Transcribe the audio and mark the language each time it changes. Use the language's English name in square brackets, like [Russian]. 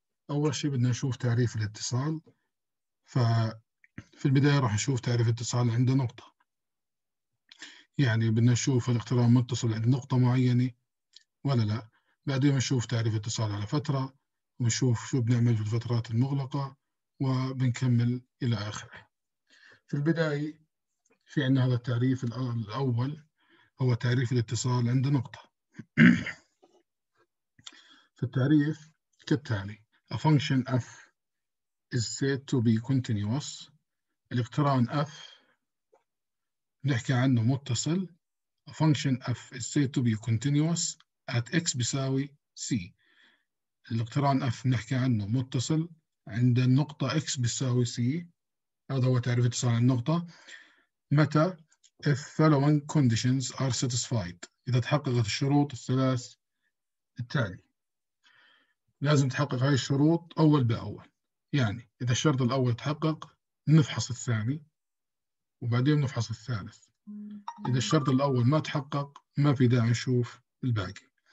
[Arabic] أول شيء بدنا نشوف تعريف الاتصال. ففي البداية راح نشوف تعريف الاتصال عند نقطة، يعني بدنا نشوف الاقتران متصل عند نقطة معينة ولا لا. بعدين نشوف تعريف الاتصال على فترة، ونشوف شو بنعمل في الفترات المغلقة، وبنكمل إلى آخره. في البداية في عندنا هذا التعريف الأول، هو تعريف الاتصال عند نقطة. في التعريف كالتالي: [English] A function f is said to be continuous. [Arabic] الاقتران f نحكي عنه متصل. [English] A function f is said to be continuous at x بيساوي c. [Arabic] الاقتران f نحكي عنه متصل عند النقطة x بيساوي c. هذا هو تعريف اتصال النقطة. [English] متى؟ If following conditions are satisfied. [Arabic] إذا تحققت الشروط الثلاث التالي. لازم تحقق هاي الشروط أول بأول، يعني إذا الشرط الأول تحقق نفحص الثاني وبعدين نفحص الثالث. إذا الشرط الأول ما تحقق ما في داعي نشوف الباقي.